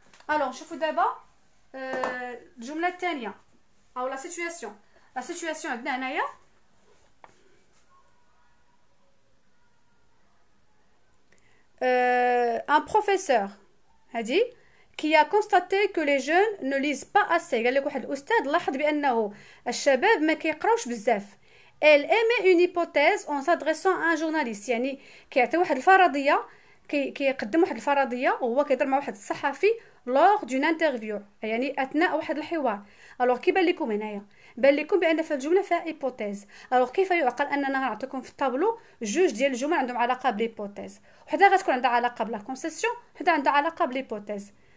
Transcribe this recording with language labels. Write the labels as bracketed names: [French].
[Arabic] الوغ شوفوا دابا الجمله الثانيه أو لا سيتواسيون عندنا هنايا، أن بروفيسور هادي كي [French] a constaté que les jeunes ne lisent pas assez، [Arabic] قال لك واحد الأستاذ لاحظ بأنه الشباب ما كيقراوش بزاف. [French] Elle émet une hypothèse en s'adressant à un journaliste، [Arabic] يعني كيعطي واحد الفرضية كيقدم واحد الفرضيه وهو كيهضر مع واحد الصحفي لور دون انترفيو، يعني اثناء واحد الحوار. الوغ كيبان لكم هنايا، بان لكم بان في الجمله فيها ايبوتيز. الوغ كيف يعقل اننا نعطيكم في الطابلو جوج ديال الجمل عندهم علاقه بليبوتيز، وحده غتكون عندها علاقه بلا كونسيسيون، وحده عندها علاقه بليبوتيز.